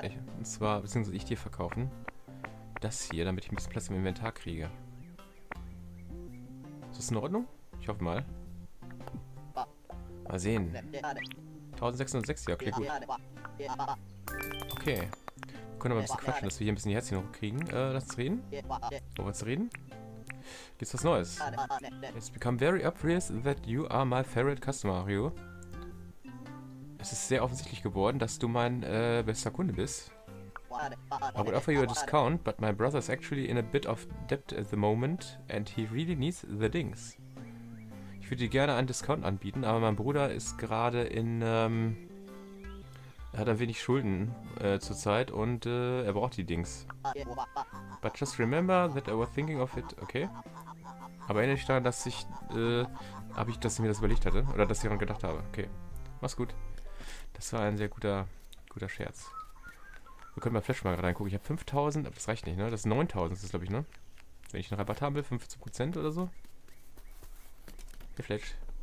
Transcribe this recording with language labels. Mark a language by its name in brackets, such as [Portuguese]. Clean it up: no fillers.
[German] Ich, und zwar, beziehungsweise ich dir verkaufen. Das hier, damit ich ein bisschen Platz im Inventar kriege. Ist das in Ordnung? Ich hoffe mal. Mal sehen. 1606, ja, okay, gut. Okay. Können wir mal ein bisschen quatschen, dass wir hier ein bisschen die Herzchen noch kriegen. Lass uns reden. Wollen wir reden? Gibt's was Neues? [English] It's become very obvious that you are my favorite customer, Mario. [German] Es ist sehr offensichtlich geworden, dass du mein bester Kunde bist. [English] I would offer you a discount, but my brother is actually in a bit of debt at the moment and he really needs the dings. [German] Ich würde dir gerne einen Discount anbieten, aber mein Bruder ist gerade in, er hat ein wenig Schulden zurzeit und er braucht die Dings. [English] But just remember that I was thinking of it, okay? [German] Aber erinnere dich daran, dass ich, habe ich, dass ich mir das überlegt hatte oder dass ich daran gedacht habe, okay? Mach's gut. Das war ein sehr guter Scherz. Wir können mal Flash mal gerade reingucken. Ich habe 5.000, aber das reicht nicht, ne? Das ist 9.000, ist glaube ich, ne? Wenn ich einen Rabatt haben will, 15% oder so. Hier Flash.